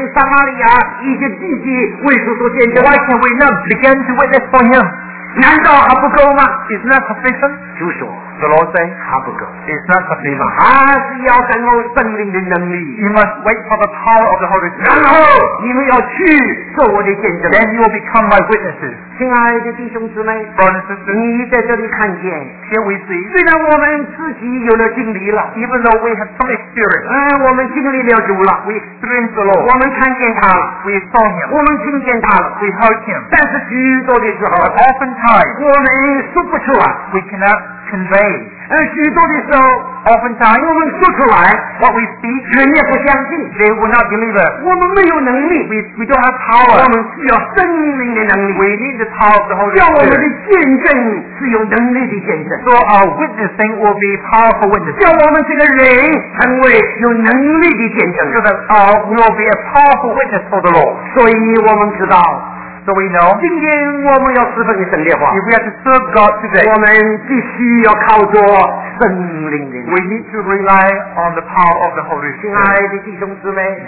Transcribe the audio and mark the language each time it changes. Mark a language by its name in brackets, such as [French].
[Chinese] 为什么不能马上就从耶路撒冷、撒玛利亚以及地基为主做见证? [English] Why can we not begin to witness for Him? [Chinese] 难道还不够吗? [English] Isn't that sufficient? [Chinese] 主说, [English] the Lord say, [Chinese] 还不够, [English] it's not sufficient. [Chinese] 还是要等候圣灵的能力, [English] you must wait for the power of the Holy Spirit. [Chinese] 然后你们要去做我的见证, [English] then you will become my witnesses. [Chinese] 亲爱的弟兄姊妹, [English] brothers and sisters, [Chinese] 你在这里看见, [English] here we see, [Chinese] 虽然我们自己有了经历了, [English] even though we have some experience, [Chinese] 我们经历了主了, [English] we experienced the Lord, [Chinese] 我们看见他了, [English] we saw Him, [Chinese] 我们听见他了, [English] we heard Him. [Chinese] 但是许多的时候, [English] but oftentimes, [Chinese] 我们说不出来, [English] we cannot convey. [Chinese] 许多的时候, [English] oftentimes, [Chinese] 我们说出来, [English] what we speak, [Chinese] 人也不相信, [English] they will not believe us. [Chinese] 我们没有能力, [English] we don't have power. [Chinese] 我们需要圣灵的能力, [English] we need the power of the Holy Spirit. [Chinese] 要我们的见证是有能力的见证, [English] so our witnessing will be powerful witness. [Chinese] 要我们这个人成为有能力的见证, [English] so that our will be a powerful witness for the Lord. [Chinese] 所以我们知道, [English] so we know, if we are to serve God today, we need to rely on the power of the Holy Spirit.